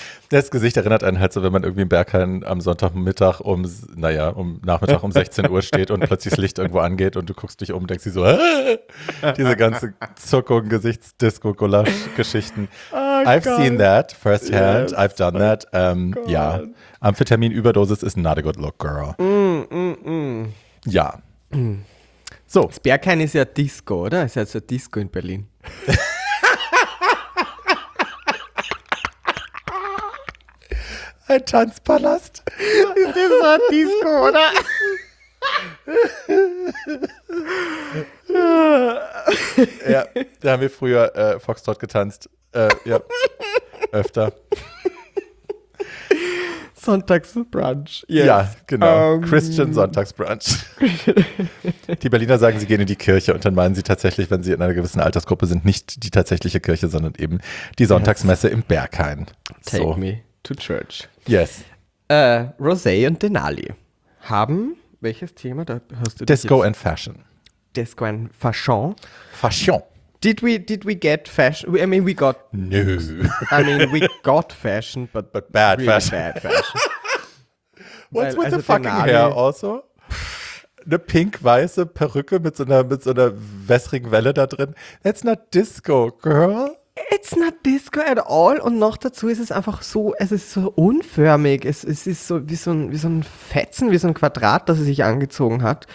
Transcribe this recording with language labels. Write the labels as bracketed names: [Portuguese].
[German] Das Gesicht erinnert einen halt so, wenn man irgendwie im Berghain am Sonntagmittag Nachmittag um 16 Uhr steht und plötzlich das Licht irgendwo angeht und du guckst dich um und denkst dir so, diese ganze Zuckung, Gesichtsdisco-Gulasch-Geschichten. [English] Oh, I've seen that firsthand, yes, I've done that. Amphetamin-Überdosis is not a good look, girl. [German] Ja. So. Das Berghain ist ja Disco, oder? Ist ja so Disco in Berlin. Ein Tanzpalast. Ist das so ein Disco, oder? Ja, da haben wir früher Foxtrot getanzt. Ja, öfter. Sonntagsbrunch. Yes. Ja, genau. Christian Sonntagsbrunch. Die Berliner sagen, sie gehen in die Kirche und dann meinen sie tatsächlich, wenn sie in einer gewissen Altersgruppe sind, nicht die tatsächliche Kirche, sondern eben die Sonntagsmesse im Berghain. [English] Take me to church. Yes. [German] Rosé und Denali haben, welches Thema, da hörst du [English] Disco and Fashion. Disco and Fashion. Fashion. Did we get fashion? We got fashion, but bad really fashion. Bad fashion. What's with the fucking Denali hair also? [German] Eine pink-weiße Perücke mit so einer wässrigen Welle da drin. [English] That's not disco, girl. It's not disco at all. [German] Und noch dazu ist es einfach so, es ist so unförmig. Es ist so wie so ein Fetzen, wie so ein Quadrat, das sie sich angezogen hat.